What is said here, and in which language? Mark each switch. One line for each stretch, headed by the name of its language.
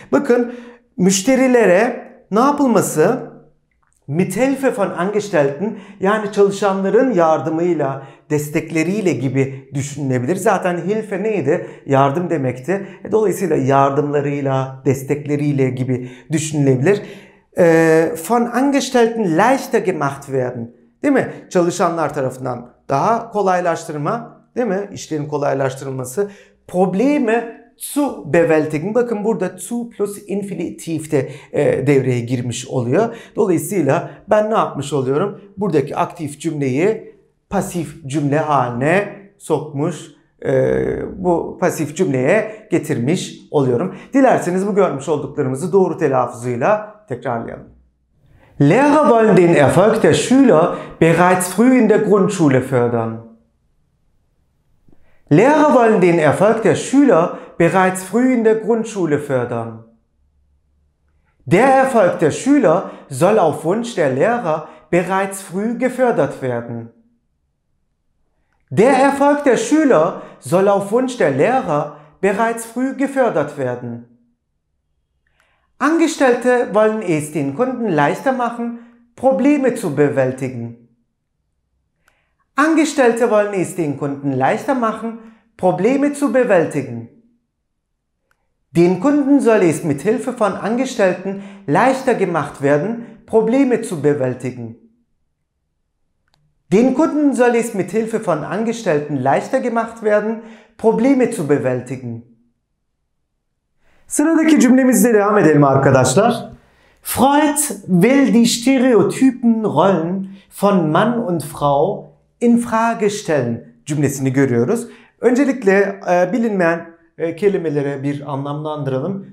Turkish: Bakın müşterilere ne yapılması?
German: Mit Hilfe von Angestellten,
Turkish: yani çalışanların yardımıyla, destekleriyle gibi düşünülebilir. Zaten Hilfe neydi? Yardım demekti. Dolayısıyla yardımlarıyla, destekleriyle gibi düşünülebilir.
German: Von Angestellten leichter gemacht werden.
Turkish: Değil mi? Çalışanlar tarafından daha kolaylaştırma, değil mi? İşlerin kolaylaştırılması.
German: Probleme zu bewältigen.
Turkish: Bakın burada zu plus infinitif de devreye girmiş oluyor. Dolayısıyla ben ne yapmış oluyorum? Buradaki aktif cümleyi pasif cümle haline sokmuş, bu pasif cümleye getirmiş oluyorum. Dilerseniz bu görmüş olduklarımızı doğru telaffuzuyla tekrarlayalım.
German: Lehrer wollen den Erfolg der Schüler bereits früh in der Grundschule fördern. Lehrer wollen den Erfolg der Schüler bereits früh in der Grundschule fördern. Der Erfolg der Schüler soll auf Wunsch der Lehrer bereits früh gefördert werden. Der Erfolg der Schüler soll auf Wunsch der Lehrer bereits früh gefördert werden. Angestellte wollen es den Kunden leichter machen, Probleme zu bewältigen. Angestellte wollen es den Kunden leichter machen, Probleme zu bewältigen. Den Kunden soll es mit Hilfe von Angestellten leichter gemacht werden, Probleme zu bewältigen. Den Kunden soll es mit Hilfe von Angestellten leichter gemacht werden, Probleme zu bewältigen.
Turkish: Sıradaki cümlemizle devam edelim arkadaşlar.
German: Freud will die stereotypen Rollen von Mann und Frau in Frage stellen
Turkish: cümlesini görüyoruz. Öncelikle bilinmeyen kelimelere bir anlamlandıralım.